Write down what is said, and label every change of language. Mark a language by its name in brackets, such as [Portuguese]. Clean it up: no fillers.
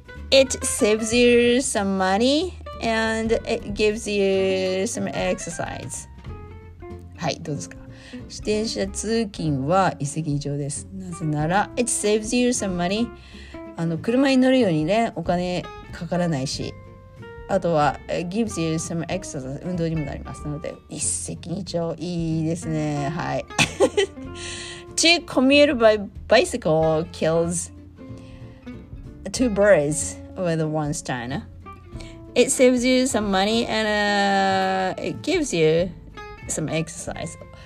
[English] It saves you some money and it gives you some exercise. [Japanese] はい、どうですか。自転車通勤は一石二鳥です。なぜなら、 [English] It saves you some money. [Japanese] 車に乗るようにね、お金かからないし、あとは、 [English] It gives you some exercise. [Japanese] 運動にもなりますので、一石二鳥、いいですね。はい。 [English] To commute by bicycle kills two birds with one stone. It saves you some money and it gives you some exercise.